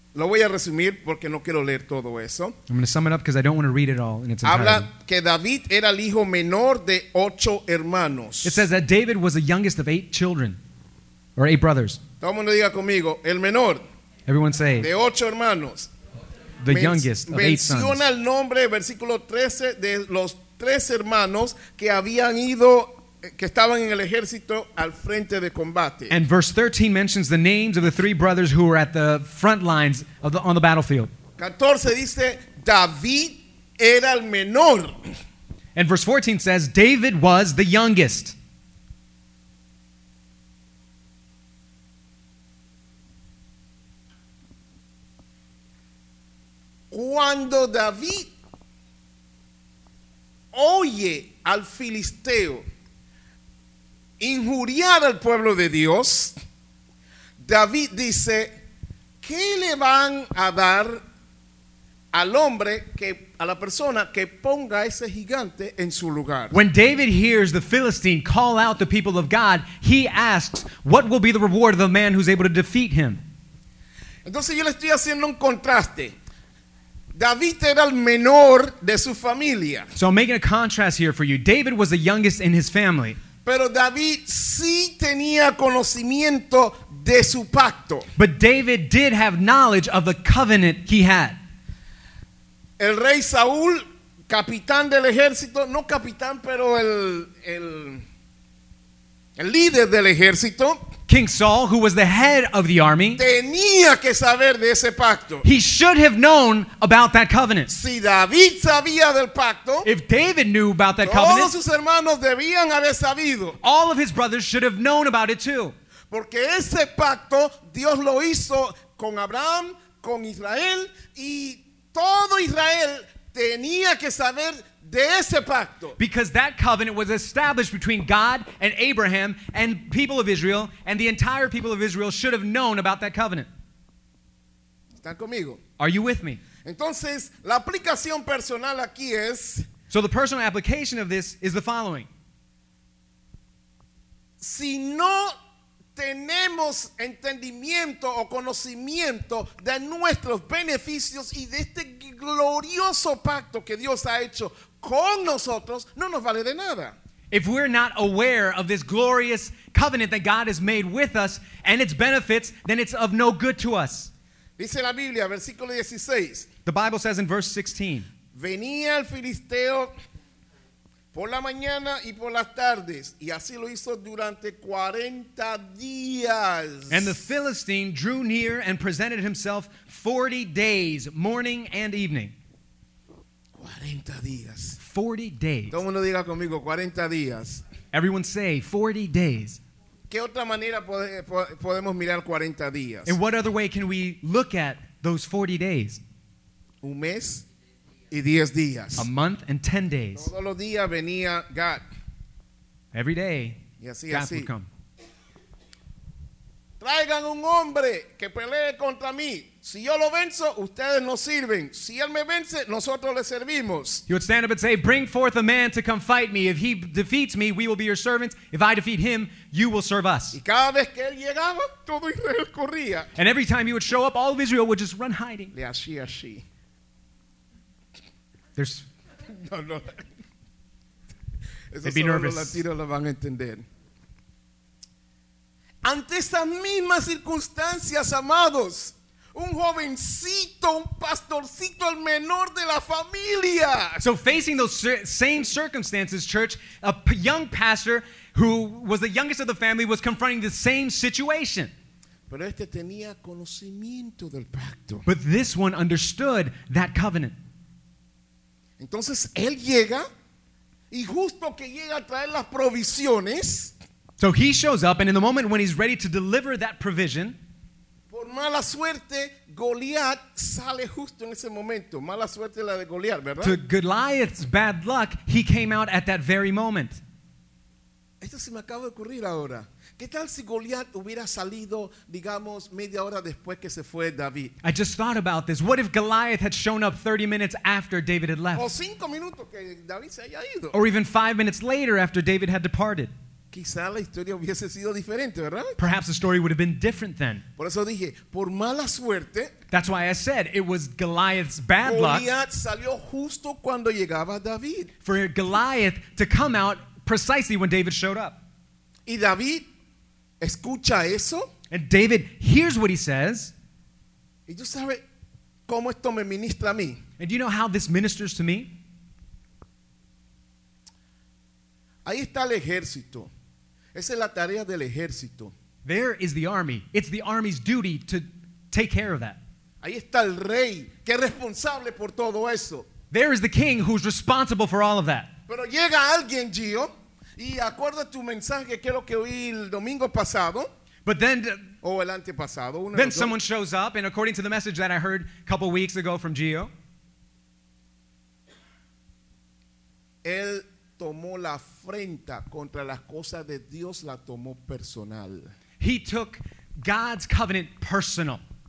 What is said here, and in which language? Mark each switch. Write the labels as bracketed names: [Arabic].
[Spanish] Lo voy a resumir porque no quiero leer todo eso. [English] I'm going to sum it up because I don't want to read it all in its entirety. [Spanish] Habla que David era el hijo menor de 8 hermanos. [English] It says that David was the youngest of 8 children. Or 8 brothers. [Spanish] Todo mundo diga conmigo, el menor. [English] Everyone say. [Spanish] De 8 hermanos. [English] The youngest of 8 sons. [Spanish] Menciona el nombre, versículo 13, de los 3 hermanos que habían ido, que estaban en el ejército al frente de combate. [English] And verse 13 mentions the names of the 3 brothers who were at the front lines of the, on the battlefield. [Spanish] 14 dice, David era el menor. [English] And verse 14 says, David was the youngest. [Spanish] Cuando David oye al filisteo injuriar al pueblo de Dios, David dice, ¿qué le van a dar al hombre, que a la persona que ponga ese gigante en su lugar? [English] When David hears the Philistine call out the people of God, he asks, what will be the reward of the man who's able to defeat him? [Spanish] Entonces yo le estoy haciendo un contraste. David era el menor de su familia. [English] So I'm making a contrast here for you. David was the youngest in his family. [Spanish] Pero David sí tenía conocimiento de su pacto. [English] But David did have knowledge of the covenant he had. [Spanish] El rey Saúl, capitán del ejército, no capitán, pero el líder del ejército. [English] King Saul, who was the head of the army, [Spanish] tenía que saber de ese pacto. [English] He should have known about that covenant. [Spanish] Si David sabía del pacto, [English] if David knew about that [Spanish] todos [English] covenant, [Spanish] sus hermanos debían haber sabido. [English] All of his brothers should have known about it too. [Spanish] Porque ese pacto, Dios lo hizo con Abraham, con Israel, y todo Israel tenía que saber de ese pacto. [English] Because that covenant was established between God and Abraham and people of Israel, and the entire people of Israel should have known about that covenant. [Spanish] ¿Están conmigo? [English] Are you with me? [Spanish] Entonces, la aplicación personal aquí es, [English] so the personal application of this is the following. [Spanish] Si no tenemos entendimiento o conocimiento de nuestros beneficios y de este glorioso pacto que Dios ha hecho con nosotros, no nos vale de nada. [English] If we're not aware of this glorious covenant that God has made with us and its benefits, then it's of no good to us. [Spanish] Dice la Biblia, versículo 16. [English] The Bible says in verse 16. [Spanish] Venía el filisteo por la mañana y por las tardes, y así lo hizo durante 40 días. [English] And the Philistine drew near and presented himself 40 days, morning and evening. [Spanish] 40 días. [English] 40 days. [Spanish] Todo mundo diga conmigo, 40 días. [English] Everyone say 40 days. [Spanish] ¿Qué otra manera podemos mirar 40 días? [English] In what other way can we look at those 40 days? [Spanish] Un mes y 10 días. [English] A month and 10 days. [Spanish] Todos los días venía God. [English] Every day, God would come. [Spanish] Traigan un hombre que pelee contra mí. Si yo lo venzo, ustedes no sirven. Si él me vence, nosotros le servimos. [English] He would stand up and say, bring forth a man to come fight me. If he defeats me, we will be your servants. If I defeat him, you will serve us. [Spanish] Y cada vez que él llegaba, todo Israel corría. [English] And every time he would show up, all of Israel would just run hiding. [Spanish] Le hacía así. [English] There's... No, no. They'd be nervous. [Spanish] Los latinos lo van a entender. Ante esas mismas circunstancias, amados, un jovencito, un pastorcito, el menor de la familia. [English] So facing those same circumstances, church, a young pastor who was the youngest of the family was confronting the same situation. [Spanish] Pero este tenía conocimiento del pacto. [English] But this one understood that covenant. [Spanish] Entonces él llega, y justo que llega a traer las provisiones. [English] So he shows up, and in the moment when he's ready to deliver that provision, [Spanish] por mala suerte, Goliath sale justo en ese momento. Mala suerte la de Goliath, ¿verdad? [English] To Goliath's bad luck, he came out at that very moment. [Spanish] Esto se me acaba de ocurrir ahora. ¿Qué tal si Goliath hubiera salido, digamos, media hora después que se fue David? [English] I just thought about this. What if Goliath had shown up 30 minutes after David had left? [Spanish] O 5 minutos que David se haya ido. [English] Or even 5 minutes later after David had departed. [Spanish] Quizá la historia hubiese sido diferente, ¿verdad? [English] Perhaps the story would have been different then. [Spanish] Por eso dije, por mala suerte. [English] That's why I said it was Goliath's bad luck. [Spanish] Goliath salió justo cuando llegaba David. [English] For Goliath to come out precisely when David showed up. [Spanish] Y David escucha eso. [English] And David hears what he says. [Spanish] ¿Y tú sabes cómo esto me ministra a mí? [English] And do you know how this ministers to me? [Spanish] Ahí está el ejército. Esa es la tarea del ejército. [English] There is the army. It's the army's duty to take care of that. [Spanish] Ahí está el rey, que es responsable por todo eso. [English] There is the king who's responsible for all of that. [Spanish] Pero llega alguien, Gio, y acuerda tu mensaje, que es lo que oí el domingo pasado. [English] But then, [Spanish] el antepasado, uno [English] then someone shows up, and according to the message that I heard a couple weeks ago from Gio, [Spanish] él tomó la afrenta contra las cosas de Dios, la tomó personal. [English] He took God's covenant personal.